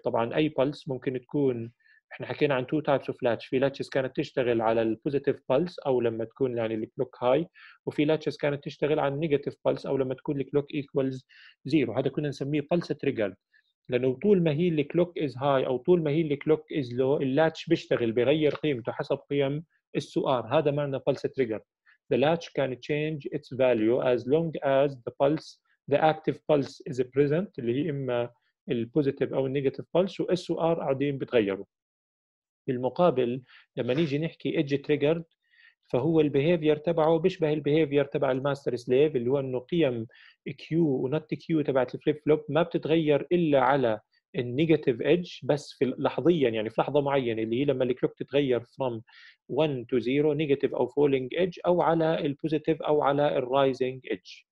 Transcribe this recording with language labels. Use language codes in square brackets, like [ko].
[ar] طبعا اي بلس ممكن تكون، احنا حكينا عن [en] two types of latch، [ar] في latches كانت تشتغل على ال positive pulse او لما تكون يعني ال clock high، وفي latches كانت تشتغل على negative pulse او لما تكون ال clock equals zero. هذا كنا نسميه pulse triggered، لانه طول ما هي ال [en] clock is high [ar] او طول ما هي ال [en] clock is low [ar] ال latch بيشتغل بغير قيمته حسب قيم S و R. هذا معنى pulse triggered. [en] The latch can change its value as long as the pulse, the active pulse is present، [ar] اللي هي اما ال positive او ال negative pulse، و S و R قاعدين بتغيروا. بالمقابل لما نيجي نحكي edge triggered فهو البيهيفير تبعه بيشبه البيهيفير تبع الماستر سليف، اللي هو انه قيم Q ونت Q تبعت الفليب فلوب ما بتتغير الا على النيجاتيف ايدج بس في لحظيا، يعني في لحظه معينه اللي هي لما الكلوك تتغير [en] from 1 to 0 [ar] نيجاتيف او فولينج ايدج، او على البوزيتيف او على الرايزنج ايدج.